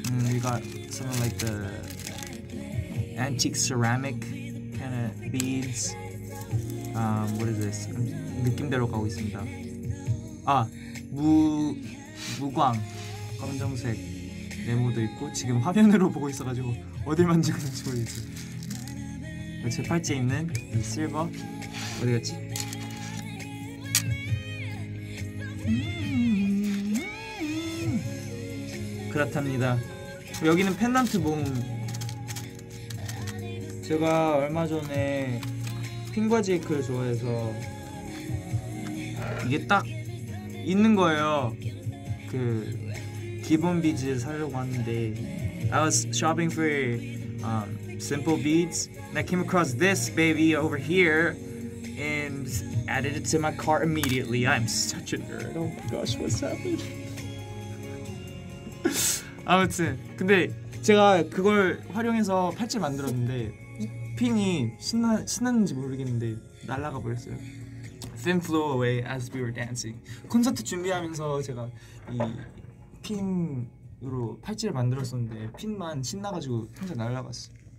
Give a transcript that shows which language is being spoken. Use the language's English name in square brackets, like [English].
[English] We got some like the antique ceramic kind of beads. What is this? [Korean] 느낌대로 가고 있습니다. 아, 무광 검정색 네모도 있고 지금 화면으로 보고 있어가지고 어딜 만지는지 모르겠어요. 제 팔찌에 있는 이 실버 어디 갔지? 그렇답니다. 여기는 펜던트 모음이에요. 제가 얼마 전에 핑과 제이크를 좋아해서 이게 딱 있는 거예요. 그 기본 비즈 사려고 하는데 [English] I was shopping for simple beads and I came across this baby over here and added it to my cart immediately. I'm such a nerd. Oh my gosh, what's happening? [Korean] 아무튼 근데 제가 그걸 활용해서 팔찌 만들었는데 핀이 신났는지 모르겠는데 날아가 버렸어요. [English] Thin flew away as we were dancing. [Korean] 콘서트 준비하면서 제가 이 핀으로 팔찌를 만들었었는데 핀만 신나가지고 혼자 날아갔어.